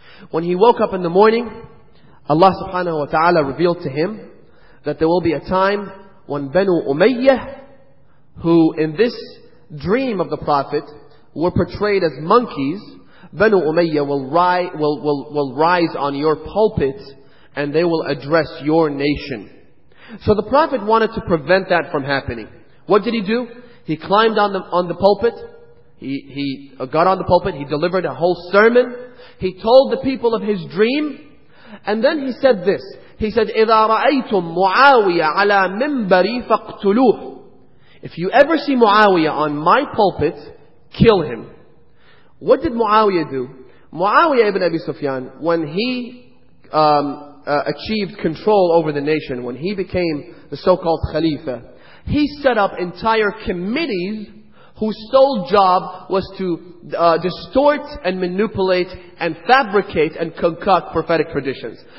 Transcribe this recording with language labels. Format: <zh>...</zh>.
<en>When he woke up in the morning, Allah subhanahu wa ta'ala revealed to him that there will be a time when Banu Umayyah, who in this dream of the Prophet were portrayed as monkeys, Banu Umayyah will rise on your pulpit and they will address your nation. So the Prophet wanted to prevent that from happening. What did he do? He climbed on the pulpit. He got on the pulpit, he delivered a whole sermon, he told the people of his dream, and then he said this. He said,</en> <ar>إِذَا رَأَيْتُم مُعَاوِيَ عَلَى مِنْبَرِي فَاقْتُلُوهُ.</ar> <en>If you ever see Muawiyah on my pulpit, kill him. What did Muawiyah do? Muawiyah ibn Abi Sufyan, when he achieved control over the nation, when he became the so-called Khalifa, he set up entire committees whose sole job was to distort and manipulate and fabricate and concoct prophetic traditions.</en>